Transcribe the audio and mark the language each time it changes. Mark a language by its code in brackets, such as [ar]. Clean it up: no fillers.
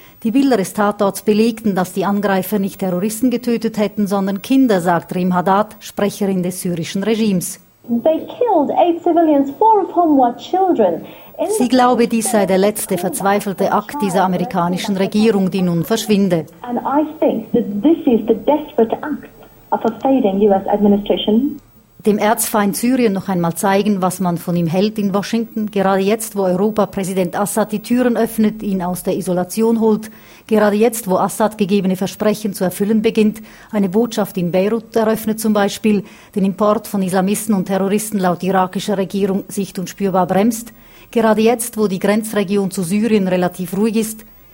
[de] Die Bilder des Tatorts belegten, dass die Angreifer nicht Terroristen getötet hätten, sondern Kinder, sagt Rim Haddad, Sprecherin des syrischen Regimes. [en] They killed 8 civilians, 4 of whom were children. [de] Sie glaube, dies sei der letzte verzweifelte Akt dieser amerikanischen Regierung, die nun verschwinde. [en] And I think that this is the desperate act of a fading US administration. [de] Dem Erzfeind Syrien noch einmal zeigen, was man von ihm hält in Washington, gerade jetzt, wo Europa Präsident Assad die Türen öffnet, ihn aus der Isolation holt, gerade jetzt, wo Assad gegebene Versprechen zu erfüllen beginnt, eine Botschaft in Beirut eröffnet zum Beispiel, den Import von Islamisten und Terroristen laut irakischer Regierung sicht- und spürbar bremst, gerade jetzt, wo die Grenzregion zu Syrien relativ ruhig ist.